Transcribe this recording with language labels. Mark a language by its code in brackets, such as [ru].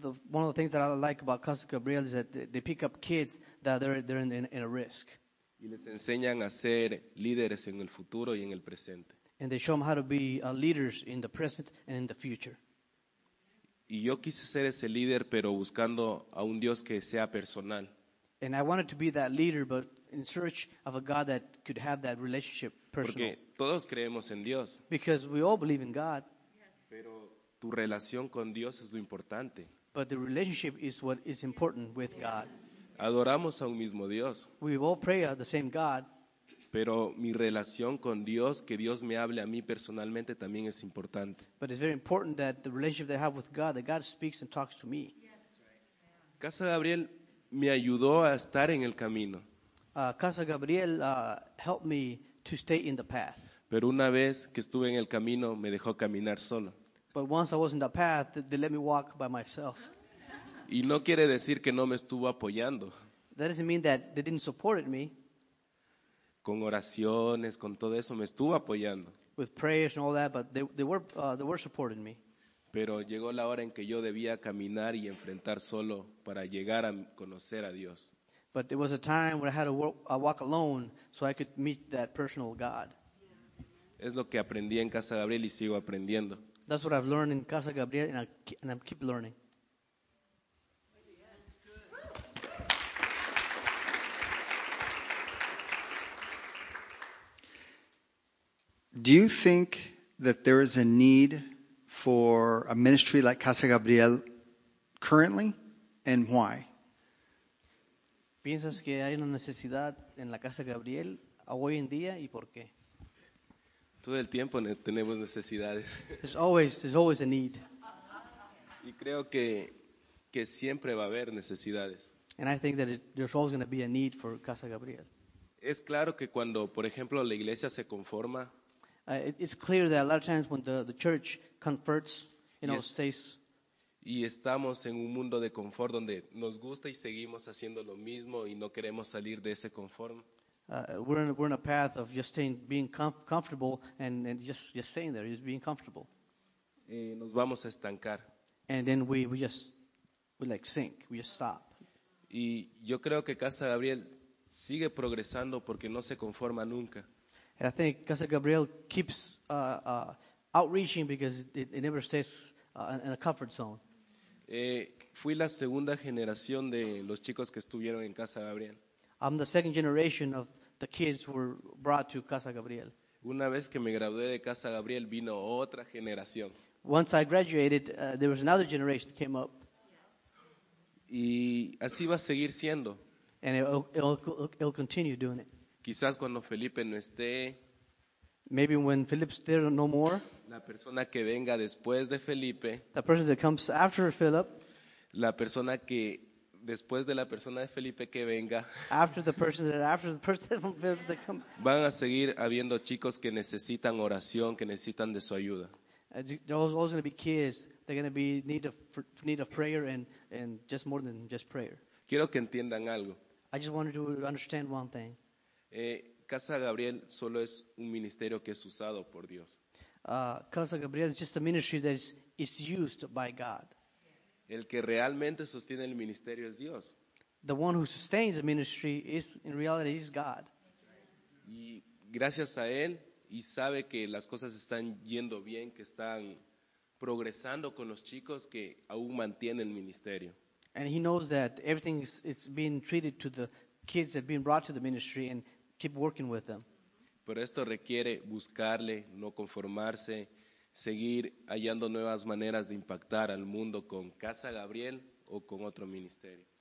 [en] One of the things that I like about Casa Gabriel is that they pick up kids that they're in a risk. [es] Y les enseñan a ser líderes en el futuro y en el presente. [en] And they show them how to be leaders in the present and in the future. [es] Y yo quise ser ese líder, pero buscando a un Dios que sea personal. [en] And I wanted to be that leader, but in search of a God that could have that relationship personal. [es] Porque todos creemos en Dios. [en] Because we all believe in God. [es] Pero tu relación con Dios es lo importante. [en] But the relationship is what is important with God. [es] Adoramos a un mismo Dios. [en] We all pray at the same God. [es] Pero mi relación con Dios, que Dios me hable a mí personalmente, también es importante. [en] But it's very important that the relationship that I have with God, that God speaks and talks to me. [es] Casa Gabriel me ayudó a estar en el camino. [en] Casa Gabriel helped me to stay in the path. [es] Pero una vez que estuve en el camino, me dejó caminar solo. [en] But once I was in the path, they let me walk by myself. [es] Y no quiere decir que no me estuvo apoyando. [en] That doesn't mean that they didn't support me. [es] Con oraciones, con todo eso, me estuvo apoyando. [en] With prayers and all that, but they were supporting me. [es] Pero llegó la hora en que yo debía caminar y enfrentar solo para llegar a conocer a Dios. [en] But there was a time where I had to walk alone so I could meet that personal God. [es] Es lo que aprendí en Casa Gabriel y sigo aprendiendo. [en] That's what I've learned in Casa Gabriel and I keep learning. Do you think that there is a need for a ministry like Casa Gabriel currently, and why? [es] ¿Piensas que hay una necesidad en la Casa Gabriel hoy en día y por qué? Todo el tiempo tenemos necesidades. [en] There's always a need. [es] Y creo que siempre va a haber necesidades. [en] And I think that there's always going to be a need for Casa Gabriel. [es] Es claro que cuando, por ejemplo, la iglesia se conforma. [en] It's clear that a lot of times when the church converts, stays. [es] Y estamos en un mundo de confort donde nos gusta y seguimos haciendo lo mismo y no queremos salir de ese confort. [en] We're in a path of just staying, being comfortable and just staying there, just being comfortable. [es] Y nos vamos a estancar. [en] And then we sink, we just stop. [es] Y yo creo que Casa Gabriel sigue progresando porque no se conforma nunca. [en] And I think Casa Gabriel keeps outreaching because it never stays in a comfort zone. [es] Fui la segunda generación de los chicos que estuvieron en Casa Gabriel. [en] I'm the second generation of the kids who were brought to Casa Gabriel. [es] Una vez que me gradué de Casa Gabriel, vino otra generación. [en] Once I graduated, there was another generation that came up. [es] Y así va a seguir siendo. [en] And it'll continue doing it. [es] Quizás cuando Felipe no esté. [en] Maybe when Philip's there no more. [es] La persona que venga después de Felipe. [en] The person that comes after Philip. [es] La persona que después de la persona de Felipe que venga. [en] After the person from Philip that comes. [es] Van a seguir habiendo chicos que necesitan oración, que necesitan de su ayuda. [en] There's always going to be kids. They're going to be need of prayer and just more than just prayer. [es] Quiero que entiendan algo. [en] I just wanted to understand one thing. [es] Casa Gabriel solo es un ministerio que es usado por Dios. [en] Casa Gabriel is just a ministry that is used by God. [es] El que realmente sostiene el ministerio es Dios. [en] The one who sustains the ministry is in reality is God. [es] Y gracias a él y sabe que las cosas están yendo bien, que están progresando con los chicos, que aún mantiene el ministerio. [en] And he knows that everything is being treated to the kids that are being brought to the ministry and keep working with them. [es] Pero esto requiere buscarle, no conformarse, seguir hallando nuevas maneras de impactar al mundo con Casa Gabriel o con otro ministerio.